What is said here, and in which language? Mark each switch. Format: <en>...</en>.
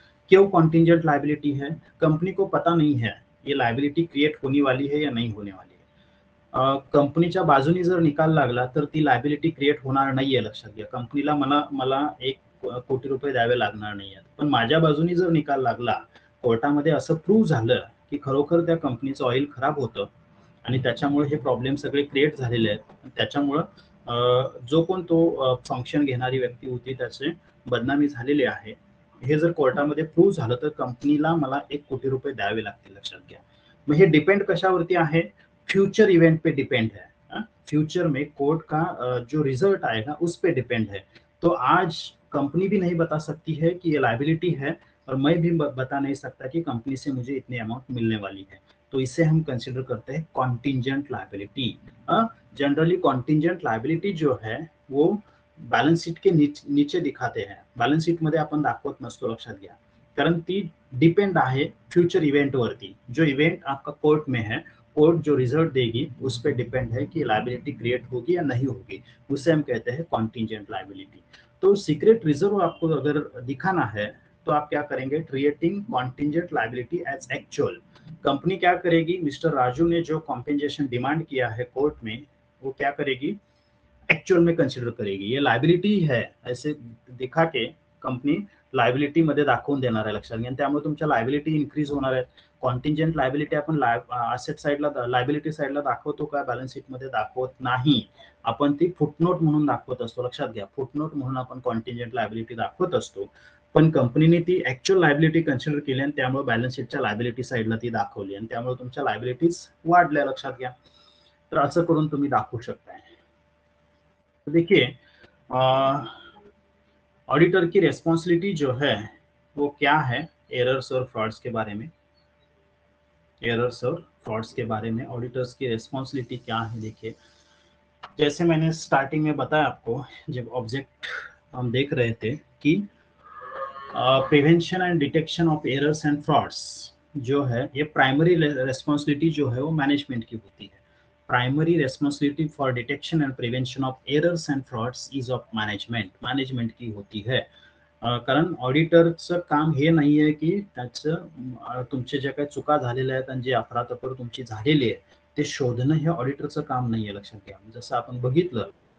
<hi>क्यों contingent liability है, company को पता नहीं है ये लायबिलिटी क्रिएट होने वाली है</hi> <mr>या नहीं होने वाली है, कंपनीच्या बाजूने जर निकाल लागला तर ती लायबिलिटी क्रिएट होणार नाही आहे, लक्षात घ्या, कंपनीला मला मला 1 कोटी रुपये द्यावे लागणार नाही आहेत, पण माझ्या बाजूने जर निकाल लागला कोर्टामध्ये असं प्रूव्ह झालं की खरोखर त्या कंपनीचं ऑइल खराब होतं आणि त्याच्यामुळे हे प्रॉब्लेम सगळे क्रिएट झालेले आहेत, त्याच्यामुळे जो कोण तो फंक्शन घेणारी व्यक्ती होती त्याचे बदनामी झालेली आहे, हे जर कोर्टामध्ये प्रूव्ह झालं तर कंपनीला मला 1 कोटी रुपये द्यावे लागतील, लक्षात घ्या। मग हे डिपेंड कशावरती आहे,</mr> <hi>फ्यूचर इवेंट पे डिपेंड है, फ्यूचर में कोर्ट का जो रिजल्ट आएगा उस पे डिपेंड है, तो आज कंपनी भी नहीं बता सकती है कि ये लायबिलिटी है और मैं भी बता नहीं सकता कि कंपनी से मुझे इतने अमाउंट मिलने वाली है, तो इसे हम कंसिडर करते हैं contingent liability. Generally contingent liability जो है वो</hi> <mr>बैलेंस शीट के नीचे दिखाते हैं, बैलेंस शीट मध्ये आपण दाखवत नसतो, लक्षात घ्या, कारण ती डिपेंड आहे फ्यूचर इवेंट वरती,</mr> <hi>जो इवेंट आपका कोर्ट में है, कोर्ट जो रिजल्ट देगी उस पर डिपेंड है कि लायबिलिटी क्रिएट होगी या नहीं होगी, उसे हम कहते हैं कॉन्टिंजेंट लायबिलिटी। तो सीक्रेट रिजर्व आपको अगर दिखाना है तो आप क्या करेंगे, creating contingent liability as actual. Company क्या करेगी, मिस्टर राजू ने जो कॉम्पेंसेशन डिमांड किया है कोर्ट में वो क्या करेगी, एक्चुअल में कंसिडर करेगी, ये लायबिलिटी है ऐसे दिखा के कंपनी</hi> <mr>लायबिलिटी मध्ये दाखवून देणार आहे, लक्षात घ्या, त्यामुळे तुमच्या लायबिलिटी इन्क्रीज होणार आहेत। कॉन्टिंजेंट लायबिलिटी आपण असेट साईडला लायबिलिटी साईडला दाखवतो का, बॅलन्स शीट मध्ये दाखवत नाही, आपण ती फुटनोट म्हणून दाखवत असतो, लक्षात घ्या, फुटनोट म्हणून आपण कॉन्टिंजेंट लायबिलिटी दाखवत असतो, पण कंपनीने ती ऍक्च्युअल लायबिलिटी कन्सिडर केली आणि त्यामुळे बॅलन्स शीटच्या लायबिलिटी साईडला ती दाखवली आणि त्यामुळे तुमच्या लायबिलिटीज वाढल्या, लक्षात घ्या, तर असं करून तुम्ही दाखवू शकताय।</mr> <hi>देखिए ऑडिटर की रेस्पॉन्सिबिलिटी जो है वो क्या है एरर्स और फ्रॉड्स के बारे में, एरर्स और फ्रॉड्स के बारे में, ऑडिटर्स की रिस्पॉन्सिबिलिटी क्या है। देखिए जैसे मैंने स्टार्टिंग में बताया आपको, जब ऑब्जेक्ट हम देख रहे थे कि prevention and detection of errors and frauds जो है, ये प्राइमरी रेस्पॉन्सिबिलिटी जो है वो मैनेजमेंट की होती है।</hi> <en>primary responsibility for detection and prevention of errors and frauds is of management,</en> <hi>management की होती है।</hi> <mr>कारण ऑडिटर्स काम हे नाही आहे की त्याचं तुमचे ज्या काही चुका झालेल्या आहेत आणि जे अफरातफर तुमची झालेली आहे ते शोधणं हे ऑडिटरचं काम नाही आहे, लक्षात घ्या। जसं आपण बघितलं</mr>